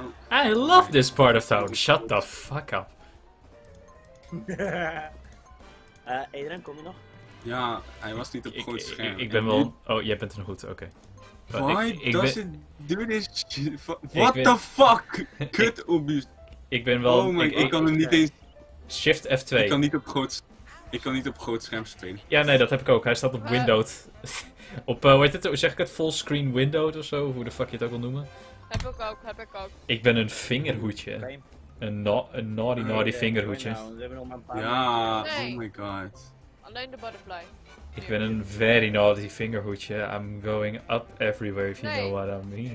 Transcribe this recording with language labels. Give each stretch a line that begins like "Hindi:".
English: I love this part of town, shut the fuck up.
Dutch: Edren, kom je nog? Ja, hij was niet op het grote scherm. Ik ben wel... Oh, jij bent er nog goed, oké.
English: Why does it do this shit? What the fuck?
Dutch: Kut,
English: Ubisoft.
Dutch: Ik ben wel...
English: Oh my,
Dutch: ik kan hem niet eens...
English: Shift F2.
Dutch: Ik kan niet op groot scherm. Ik kan niet op groot scherm spelen. Ja, nee, dat heb ik ook. Hij staat op Windows. Op, hoe heet het? Zeg ik het? Full screen Windows of zo? Hoe de fuck je het ook wil noemen? Heb ik ook, heb ik ook. Ik ben een vingerhoedje. Een
English: naughty, naughty
Dutch: vingerhoedje.
English: Ja, oh my god.
Dutch: Alleen de butterfly. Ik ben een
English: very naughty
Dutch: vingerhoedje.
English: I'm going up everywhere, if you know what I mean.